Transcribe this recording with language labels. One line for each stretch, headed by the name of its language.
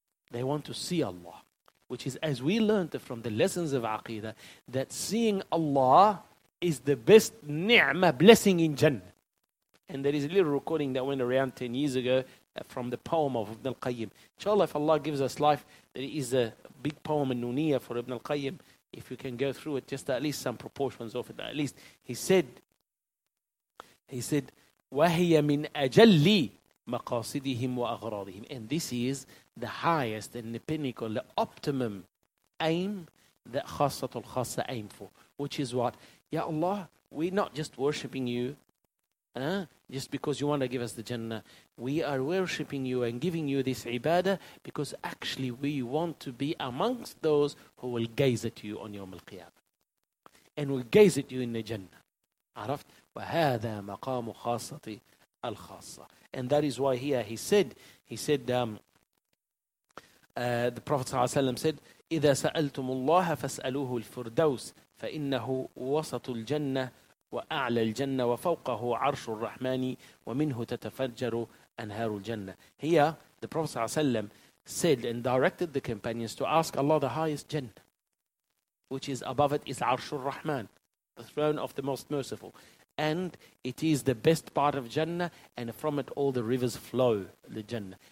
English: They want to see Allah, which is, as we learned from the lessons of Aqeedah, that seeing Allah is the best ni'mah, blessing in Jannah. And there is a little recording that went around 10 years ago from the poem of Ibn al-Qayyim. Inshallah, if Allah gives us life, there is a big poem in Nuniyah for Ibn al-Qayyim. If you can go through it, just at least some proportions of it. At least he said,
Arabic: وَهِيَ مِنْ أَجَلِّي مَقَاصِدِهِمْ وَأَغْرَاضِهِمْ.
English: And this is the highest and the pinnacle, the optimum aim that
Arabic: خَاصَّةُ الْخَاصَّةُ
English: aim for. Which is what? Ya Allah, we're not just worshipping you just because you want to give us the Jannah. We are worshipping you and giving you this ibadah because actually we want to be amongst those who will gaze at you on Yawm al-Qiyamah. And will gaze at you in the Jannah.
Arabic: Araft? وَهَذَا مَقَامُ خَاصَّةِ الْخَاصَّةِ.
English: And that is why here he said, the Prophet ﷺ said,
Arabic: إِذَا سَأَلْتُمُ اللَّهَ فَاسْأَلُوهُ الْفُرْدَوْسِ فَإِنَّهُ وَسَطُ الْجَنَّةِ وأعلى الجنة وفوقه عرش الرحمن ومنه تتفجر أنهار الجنة.
English: Here, the Prophet ﷺ said and directed the companions to ask Allah the highest Jannah, which is above it is
Arabic: عرش الرحمن,
English: the throne of the most merciful. And it is the best part of Jannah, and from it all the rivers flow, the Jannah.